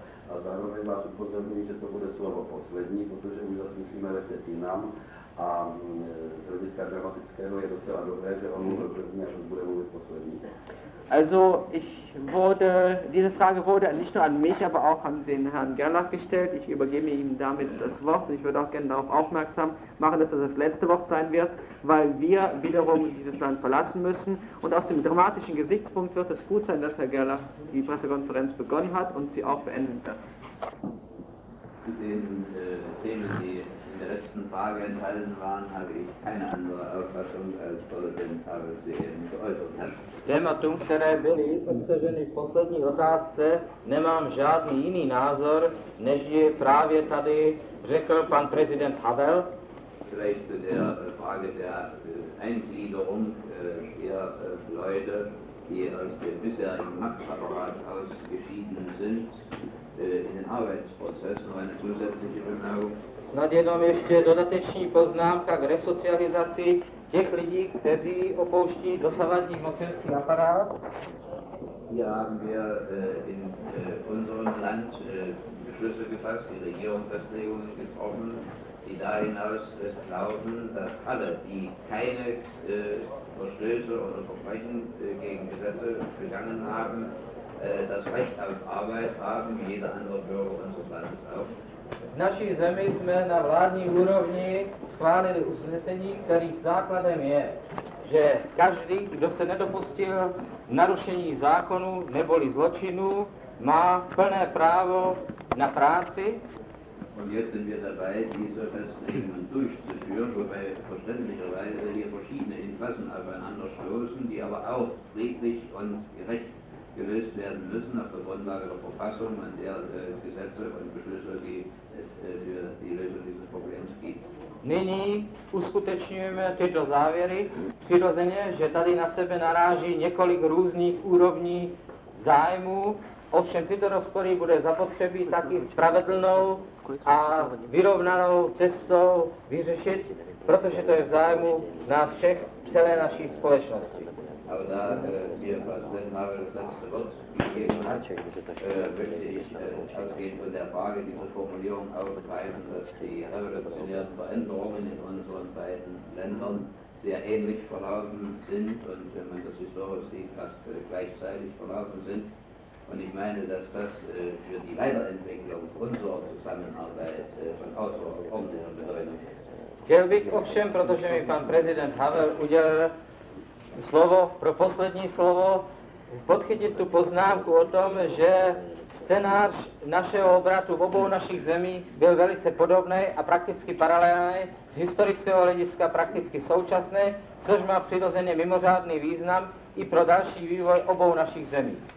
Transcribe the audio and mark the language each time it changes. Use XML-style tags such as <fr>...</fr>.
<cs>A zároveň vás upozorním, že to bude slovo poslední, protože už zase musíme letět jinam. A z hlediska dramatického je docela dobré, že on mluvil první, až bude mluvit poslední.</cs> <de>Also ich wurde, diese Frage wurde nicht nur an mich, aber auch an den Herrn Gerlach gestellt. Ich übergebe ihm damit das Wort. Ich würde auch gerne darauf aufmerksam machen, dass das letzte Wort sein wird, weil wir wiederum dieses Land verlassen müssen. Und aus dem dramatischen Gesichtspunkt wird es gut sein, dass Herr Gerlach die Pressekonferenz begonnen hat und sie auch beenden kann. Zu den Themen, die in der letzten Frage enthalten waren, habe ich keine andere Auffassung, als Präsident Havel sie eben geäußert hat.</de> <cs>Tématu, které byly obsaženy v poslední otázce, nemám žádný jiný názor, než je právě tady řekl pan prezident Havel.</cs> <de>Vielleicht zu der Frage der Eingliederung der Leute, die aus dem bisherigen Machtapparat ausgeschieden sind, in den Arbeitsprozess noch eine zusätzliche Bemerkung.</de> <cs>Snad jenom ještě dodateční poznámka k resocializaci těch lidí, kteří opouští dosavadní mocenský aparát.</cs> <de>Hier haben wir in unserem Land Beschlüsse gefasst, die Regierungsfestlegungen getroffen, die dahin aus glauben, dass alle, die keine Verstöße oder Verbrechen gegen Gesetze begangen haben, das Recht auf Arbeit haben, wie jeder andere Bürger unseres Landes auch.</de> <cs>V naší zemi jsme na vládní úrovni schválili usnesení, kterých základem je, že každý, kdo se nedopustil narušení zákonu neboli zločinu, má plné právo na práci.</cs> <de>Und jetzt sind wir dabei, diese Festlegungen durchzuführen, wobei verständlicherweise hier verschiedene Interessen aufeinander stoßen, die aber auch friedlich und gerecht gelöst werden müssen auf der Grundlage der Verfassung und der Gesetze und Beschlüsse, die es für die Lösung dieses Problems gibt.</de> <cs>Nyní uskutečňujeme tyto závěry. Přirozeně, že tady na sebe naráží několik různých úrovní zájmů. Ovšem tyto rozpory bude zapotřebí taky spravedlnou a vyrovnanou cestou vyřešit, protože to je v zájmu nás všech, celé naší společnosti.</cs> <de>Aber da hier Präsident Havel das letzte Wort gegeben hat, möchte ich ausgehend von der Frage diese Formulierung aufgreifen, dass die revolutionären Veränderungen in unseren beiden Ländern sehr ähnlich verlaufen sind und wenn man das historisch sieht, fast gleichzeitig verlaufen sind. Und ich meine, dass das für die Weiterentwicklung unserer Zusammenarbeit von außerordentlicher Bedeutung ist.</de> <cs>Chtěl bych ovšem, protože mi pan prezident Havel udělal slovo, pro poslední slovo, podchytit tu poznámku o tom, že scénář našeho obratu v obou našich zemích byl velice podobný a prakticky paralelný z historického hlediska prakticky současný, což má přirozeně mimořádný význam i pro další vývoj obou našich zemí.</cs>